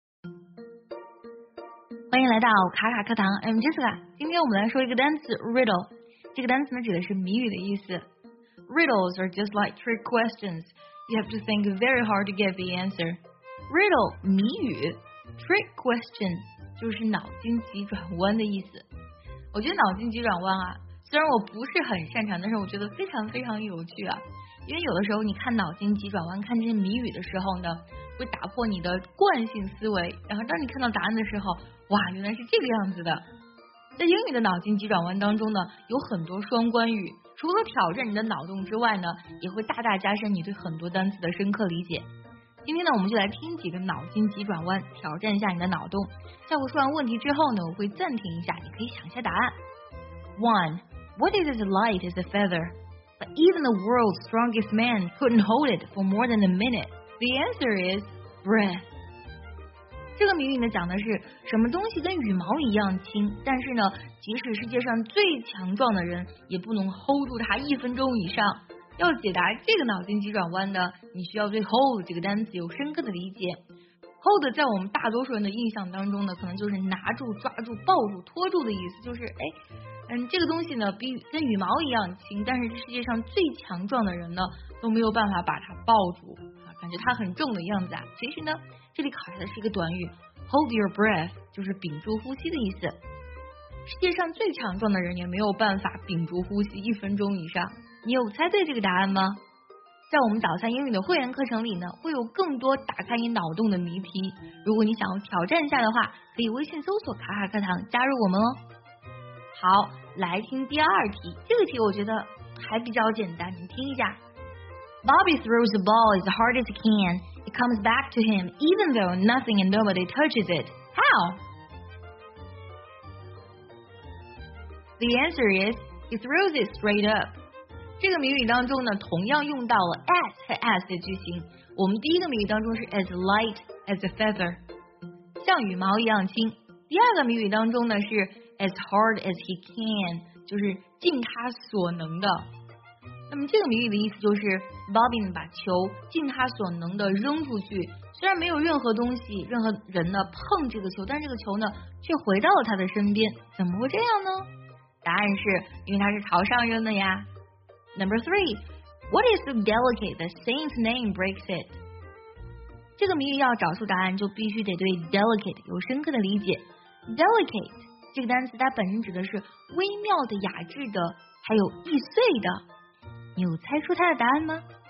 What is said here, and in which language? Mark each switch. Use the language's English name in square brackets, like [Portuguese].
[Chinese] 欢迎来到卡卡课堂 ， [English] I'm Jessica。 [Chinese] 今天我们来说一个单词 riddle。这个单词呢指的是谜语的意思。 [English] Riddles are just like trick questions. You have to think very hard to get the answer. [Chinese] Riddle 谜语 ，trick question 就是脑筋急转弯的意思。我觉得脑筋急转弯啊，虽然我不是很擅长，但是我觉得非常非常有趣啊。因为有的时候你看脑筋急转弯，看这些谜语的时候呢，会打破你的惯性思维，然后当你看到答案的时候，哇，原来是这个样子的。在英语的脑筋急转弯当中呢，有很多双关语，除了挑战你的脑洞之外呢，也会大大加深你对很多单词的深刻理解。今天呢，我们就来听几个脑筋急转弯，挑战一下你的脑洞。在我说完问题之后呢，我会暂停一下，你可以想一下答案。 1. [English] What is as light as a feather? But even the world's strongest man couldn't hold it for more than a minute. The answer is breath. [Chinese] 这个谜语呢讲的是什么东西跟羽毛一样轻，但是呢即使世界上最强壮的人也不能 hold 住它一分钟以上。要解答这个脑筋急转弯的，你需要对 hold 这个单词有深刻的理解。 hold 在我们大多数人的印象当中呢，可能就是拿住、抓住、抱住、拖住的意思，就是这个东西呢比跟羽毛一样轻，但是世界上最强壮的人呢都没有办法把它抱住，感觉它很重的样子啊。其实呢这里考察的是一个短语 [English] hold your breath， [Chinese] 就是屏住呼吸的意思。世界上最强壮的人也没有办法屏住呼吸一分钟以上。你有猜对这个答案吗？在我们早餐英语的会员课程里呢，会有更多打开你脑洞的谜题。如果你想要挑战一下的话，可以微信搜索卡卡课堂加入我们哦。好，来听第二题。这个题我觉得还比较简单，你听一下。 [English] Bobby throws the ball as hard as he can. It comes back to him even though nothing and nobody touches it. How? The answer is, he throws it straight up. [Chinese] 这个谜语当中呢，同样用到了 as 和 as 的句型。我们第一个谜语当中是 [English] as light as a feather， [Chinese] 像羽毛一样轻。第二个谜语当中呢是 [English] as hard as he can， [Chinese] 就是尽他所能的。那么这个谜语的意思就是 Bobby 把球尽他所能的扔出去，虽然没有任何东西任何人呢碰这个球，但这个球呢却回到了他的身边，怎么会这样呢？答案是因为他是朝上扔的呀。 [English] Number 3. What is so delicate that Saint's name breaks it? [Chinese] 这个谜语要找出答案就必须得对 delicate 有深刻的理解。 delicate 这个单词它本身指的是微妙的、雅致的，还有易碎的。你有猜出它的答案吗？